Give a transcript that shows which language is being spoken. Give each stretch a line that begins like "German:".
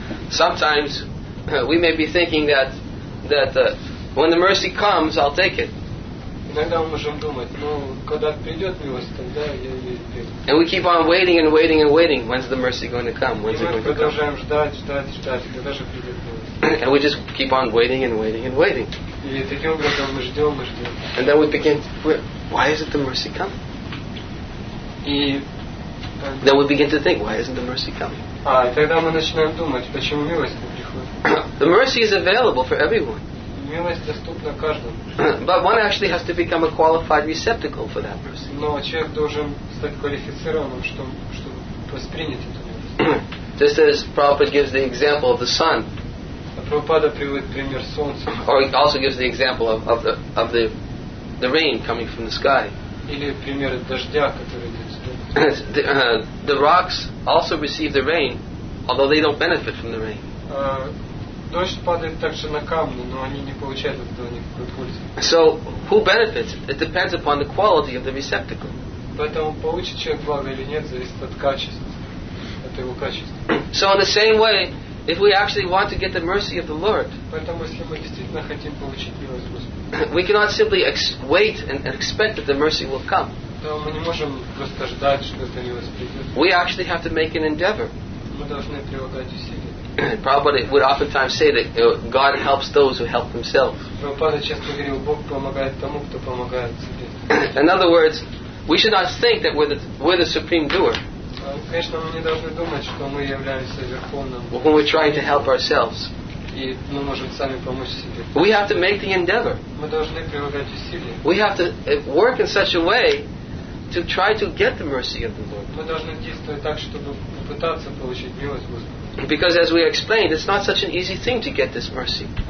English: Sometimes we may be thinking that when the mercy comes, I'll take it.
Russian: Иногда мы можем думать, ну, когда придет милость, тогда я ее приму.
English: And we keep on waiting and waiting and waiting. When's the mercy going to come? When's it going to come?
Russian: И мы продолжаем ждать, когда же придет милость.
English: And we just keep on waiting and waiting and waiting.
Russian: И таким образом мы ждем.
English: And then we begin, why isn't the mercy come?
Russian: И
English: then we begin to think, why isn't the mercy coming?
Russian: И тогда мы начинаем думать, почему милость не приходит.
English: The mercy is available for everyone.
Russian: Милость доступна каждому.
English: But one actually has to become a qualified receptacle for that mercy.
Russian: Но человек должен стать квалифицированным, чтобы воспринять эту милость.
English: Just as Prabhupada gives the example of the sun.
Russian: Прабхупада приводит пример солнца.
English: Or he also gives the example of the rain coming from the sky.
Russian: Или пример дождя, который идет с неба.
English: The rocks also receive the rain, although they don't benefit from the rain.
Russian: Дождь падает также на камни, но они не получают от этого никакой пользы.
English: So, who benefits? It depends upon the quality of the receptacle.
Russian: Поэтому получит человек благо или нет, зависит от качества, от его качества.
English: So, in the same way, if we actually want to get the mercy of the Lord,
Russian: поэтому если мы действительно хотим получить милость Господа,
English: we cannot simply wait and expect that the mercy will come.
Russian: То мы не можем просто ждать, что эта милость придет.
English: We actually have to make an endeavor.
Russian: Мы должны прилагать усилия.
English: Prabhupada would oftentimes say that God helps those who help themselves.
Russian: Prabhupada часто говорил, Бог помогает тому, кто помогает себе.
English: In other words, we should not think that we're the supreme doer.
Russian: Конечно, мы не должны думать, что мы являемся верховным.
English: When we're trying to help ourselves.
Russian: И мы можем сами помочь себе.
English: We have to make the endeavor.
Russian: Мы должны прилагать усилия.
English: We have to work in such a way to try to get the mercy of the Lord.
Russian: Мы должны действовать так, чтобы попытаться получить милость Господа.
English: Because as we explained, it's not such an easy thing to get this mercy.